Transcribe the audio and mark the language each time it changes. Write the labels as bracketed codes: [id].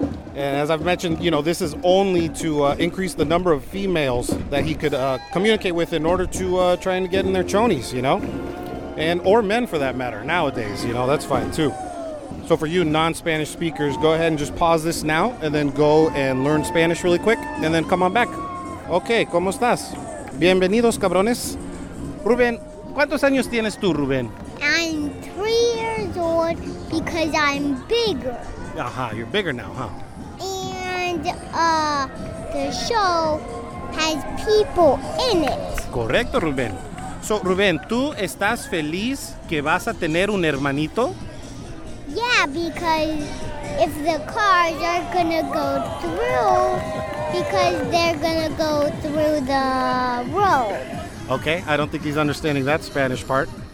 [en] And as I've mentioned, you know, this is only to increase the number of females that he could communicate with in order to try and get in their chonies, you know? And or men, for that matter, nowadays, you know, that's fine, too. So for you non-Spanish speakers, go ahead and just pause this now and then go and learn Spanish really quick and then come on back. [es] Okay, ¿cómo estás? Bienvenidos, cabrones. Ruben, ¿cuántos años tienes tú, Ruben? [en] I'm 3 years old because I'm bigger. Aha, uh-huh, you're bigger now, huh? And the show has people in it. [es] Correcto, Ruben. So, Ruben, ¿tú estás feliz que vas a tener un hermanito? [en] Yeah, because if the cars are going to go through, because they're going to go through the road. Okay, I don't think he's understanding that Spanish part.